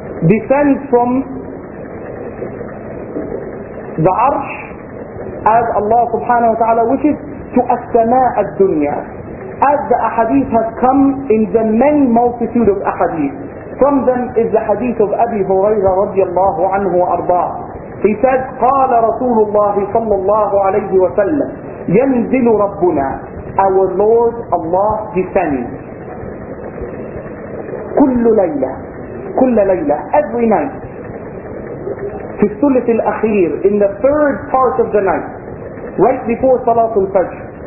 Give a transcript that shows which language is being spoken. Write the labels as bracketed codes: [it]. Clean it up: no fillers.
[en] Descends from the arsh as Allah subhanahu wa ta'ala wishes to as-samaa' ad-dunya. As the ahadith has come in the many multitude of ahadith. From them is the hadith of Abi Hurairah radiallahu anhu wa ardaah. He says, [ar] قال رسول الله صلى الله عليه وسلم ينزل ربنا. [en] Our Lord Allah descends. [ar] كل ليلة. كل ليلة. [en] Every night. [ar] في الثلث الأخير. [en] In the third part of the night. Right before [ar] صلاة الفجر.